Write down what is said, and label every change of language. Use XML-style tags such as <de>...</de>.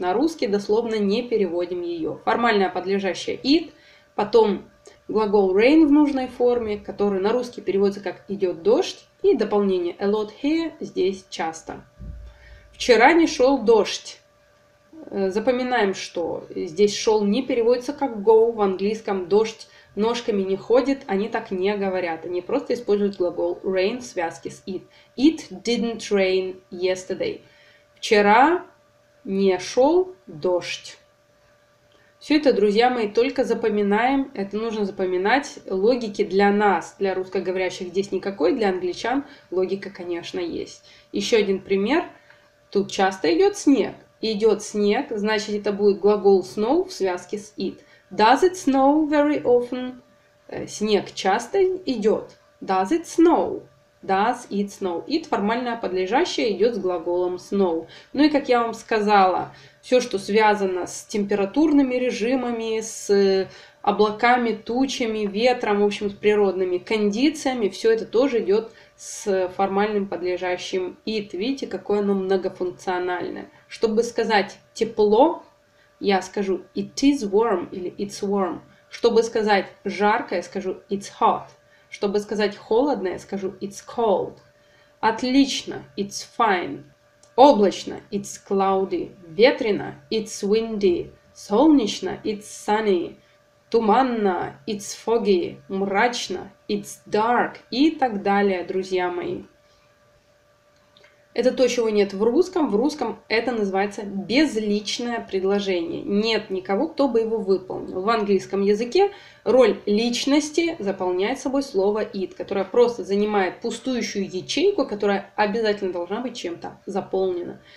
<ru>На русский дословно не переводим ее. Формальное подлежащее it, потом глагол rain в нужной форме, который на русский переводится как идет дождь, и дополнение</ru> <en>a lot here</en> <ru>здесь часто. Вчера не шел дождь. Запоминаем, что здесь шел не переводится как go, в английском дождь ножками не ходит, они так не говорят, они просто используют глагол rain в связке с it.</ru> <en>It didn't rain yesterday.</en> <ru>Вчера не шел дождь. Все это, друзья мои, только запоминаем. Это нужно запоминать. Логики для нас, для русскоговорящих, здесь никакой. Для англичан логика, конечно, есть. Еще один пример. Тут часто идет снег. Идет снег, значит, это будет глагол snow в связке с it.</ru> <en>Does it snow very often?</en> <ru>Снег часто идет.</ru> <en>Does it snow? Does it snow?</en> <ru>It формальное подлежащее идет с глаголом snow. Ну и как я вам сказала, все, что связано с температурными режимами, с облаками, тучами, ветром, в общем, с природными кондициями, все это тоже идет с формальным подлежащим it. Видите, какое оно многофункциональное. Чтобы сказать тепло, я скажу</ru> <en>it is warm</en> <ru>или</ru> <en>it's warm.</en> <ru>Чтобы сказать жарко, я скажу</ru> <en>it's hot.</en> <ru>Чтобы сказать холодно, я скажу</ru> <en>it's cold.</en> <ru>Отлично,</ru> <en>it's fine.</en> <ru>Облачно,</ru> <en>it's cloudy.</en> <ru>Ветрено,</ru> <en>it's windy.</en> <ru>Солнечно,</ru> <en>it's sunny.</en> <ru>Туманно,</ru> <en>it's foggy.</en> <ru>Мрачно,</ru> <en>it's dark.</en> <ru>И так далее, друзья мои. Это то, чего нет в русском. В русском это называется безличное предложение. Нет никого, кто бы его выполнил. В английском языке роль личности заполняет собой слово it, которое просто занимает пустующую ячейку, которая обязательно должна быть чем-то заполнена.</ru>